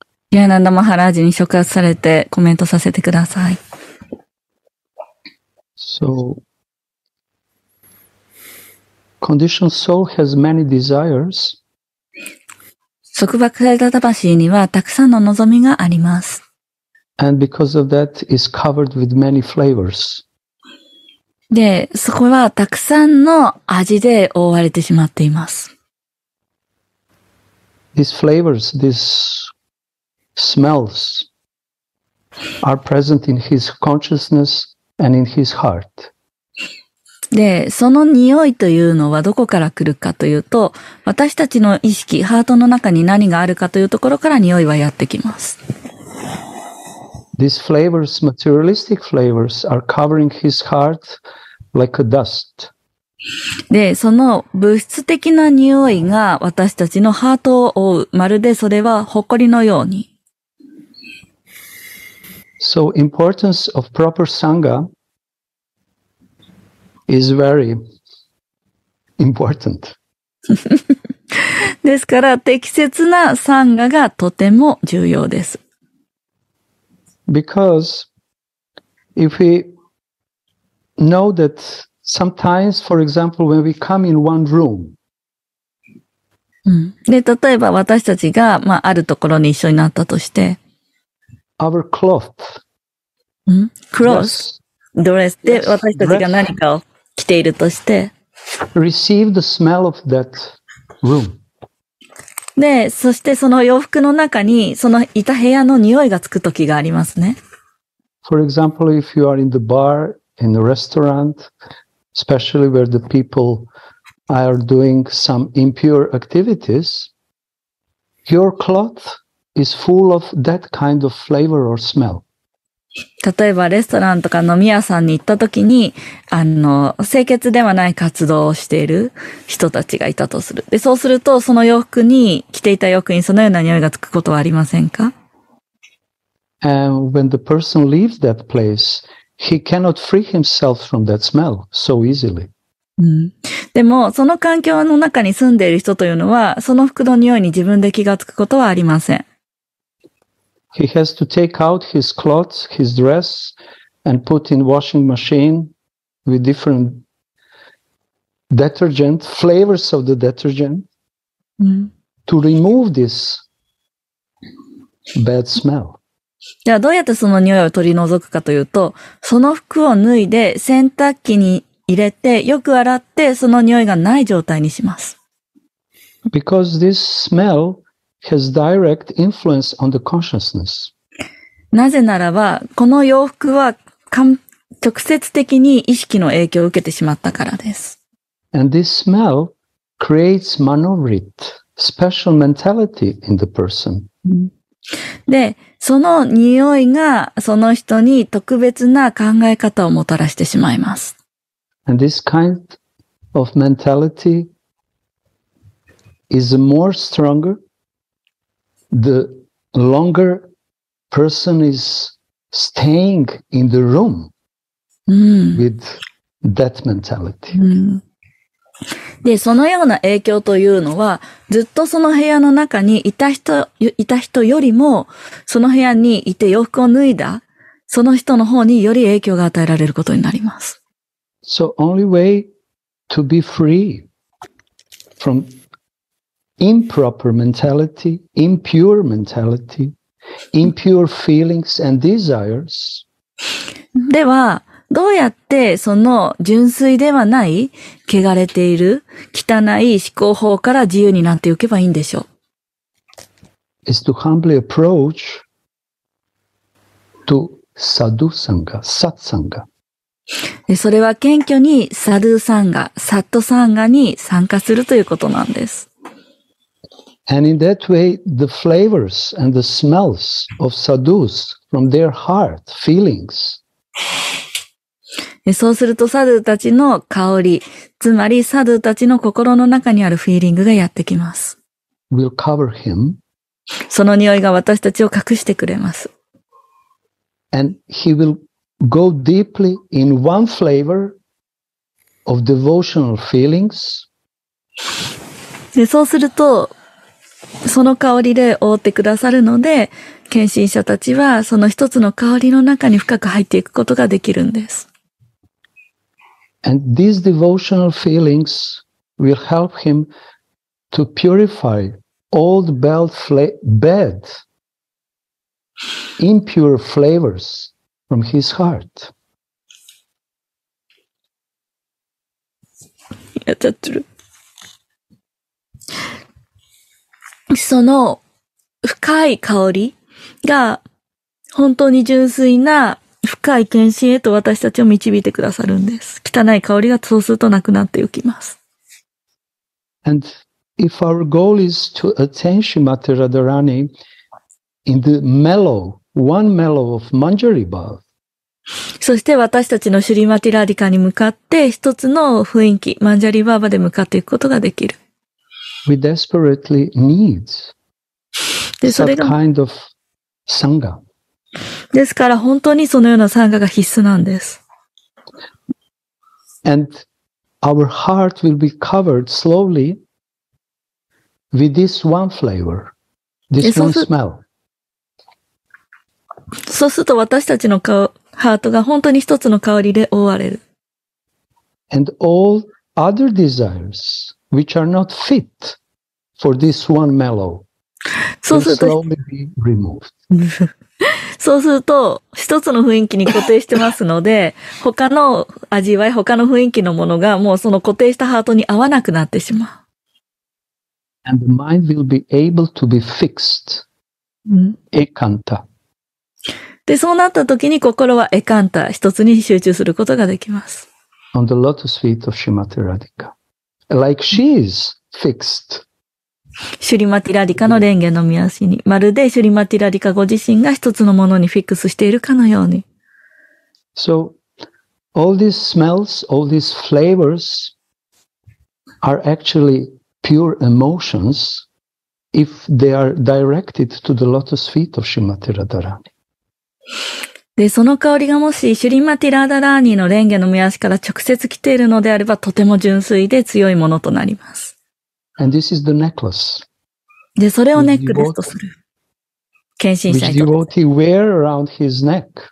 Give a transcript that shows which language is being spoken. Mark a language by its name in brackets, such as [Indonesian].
[Japanese] Jayananda Maharaj に触発されてコメントさせてください。 [English] So, conditioned soul has many desires. [Japanese] 束縛された魂にはたくさんの望みがあります。 [English] And because of that, it's covered with many flavors. [Japanese] で、そこはたくさんの味で覆われてしまっています。 [English] These flavors, these smells are present in his consciousness and in his heart. [Japanese] で、その匂いというのはどこから来るかというと、私たちの意識、ハートの中に何があるかというところから匂いはやってきます。 [English] These flavors, materialistic flavors, are covering his heart like a dust. [Japanese] で、その物質的な匂いが私たちのハートを覆う。まるでそれは埃のように。 [English] So, importance of proper sangha. Is very important. [Japanese] ですから適切なサンガがとても重要です。 [English] Because if we know that sometimes, for example, when we come in one room, [Japanese] で例えば私たちが、あるところに一緒になったとして、 [English] our cloth. Cloth? Dress. [Japanese] で、私たちが何かを着ているとして。 [English] Receive the smell of that room. [Japanese] で、そしてその洋服の中に、そのいた部屋の匂いがつくときがありますね。 [English] For example, if you are in the bar, in the restaurant, especially where the people are doing some impure activities, your cloth is full of that kind of flavor or smell. [Japanese] 例えばレストランとか飲み屋さんに行った時に、清潔ではない活動をしている人たちがいたとする。で、そうすると、その洋服に、着ていた洋服にそのような匂いがつくことはありませんか？ [English] And when the person leaves that place, he cannot free himself from that smell so easily. [Japanese] でも、その環境の中に住んでいる人というのは、その服の匂いに自分で気がつくことはありません。 [English] He has to take out his clothes, his dress, and put in washing machine with different detergent, flavors of the detergent, to remove this bad smell. [Japanese] じゃあどうやってその匂いを取り除くかというと、その服を脱いで洗濯機に入れてよく洗ってその匂いがない状態にします。 [English] Because this smell has direct influence on the consciousness. [Japanese] なぜならば、この洋服は直接的に意識の影響を受けてしまったからです。 [English] And this smell creates manovrit, special mentality in the person. [Japanese] で、その匂いがその人に特別な考え方をもたらしてしまいます。 [English] And this kind of mentality is more stronger the longer person is staying in the room with that mentality. [Japanese] で、そのような影響というのは、ずっとその部屋の中にいた人よりも、その部屋にいて洋服を脱いだ、その人の方により影響が与えられることになります。 [English] So, only way to be free from improper mentality, impure mentality, impure feelings and desires. [Japanese] では、どうやってその純粋ではない、汚れている、汚い思考法から自由になっておけばいいんでしょう。 [English] Is to humbly approach to sadhu sangha, sat sangha. [Japanese] それは謙虚に sadhu sangha, sat sangha に参加するということなんです。 [English] And in that way, the flavors and the smells of sadhus from their heart, feelings, [Japanese] そうするとサドゥたちの香り、つまりサドゥたちの心の中にあるフィーリングがやってきます。 [English] We'll cover him. [Japanese] その匂いが私たちを隠してくれます。 [English] And he will go deeply in one flavor of devotional feelings. [Japanese] で、そうするとその香りで覆ってくださるので、献身者たちはその一つの香りの中に深く入っていくことができるんです。 [English] And these devotional feelings will help him to purify old bad, impure flavors from his heart. Yeah, that's true. [Japanese] その深い香りが本当に純粋な深い献身へと私たちを導いてくださるんです。汚い香りがそうするとなくなっていきます。 [English] And if our goal is to attain Srimati Radharani in the mellow, one mellow of Manjari Bhava. [Japanese] そして私たちのシュリマティラディカに向かって一つの雰囲気、マンジャリバーバで向かっていくことができる。 [English] We desperately need some kind of sangha. [Japanese] ですから本当にそのような参加が必須なんです。 [English] And our heart will be covered slowly with this one flavor, this one smell. [Japanese] そうすると私たちのハートが本当に一つの香りで覆われる。 [English] And all other desires which are not fit for this one mellow will slowly be removed. [Japanese] そうすると一つの雰囲気に固定してますので他の味わい他の雰囲気のものがもうその固定したハートに合わなくなってしまう。 [English] And the mind will be able to be fixed エカンタ。 [Japanese] でそうなった時に心はエカンタ一つに集中することができます。 [English] On the lotus feet of Srimati Radhika Like she is fixed [Japanese] シュリマティラディカの蓮華の御足に、まるでシュリマティラディカご自身が一つのものにフィックスしているかのように。 [English] So, all these smells, all these flavors are actually pure emotions if they are directed to the lotus feet of Srimati Radharani. [Japanese] で、その香りがもしシュリマティラダラーニの蓮華の御足から直接来ているのであれば、とても純粋で強いものとなります。 [English] And this is the necklace. [Japanese] で、それをネックレスとする。献身者にとって。 [English] Which devotee wear around his neck.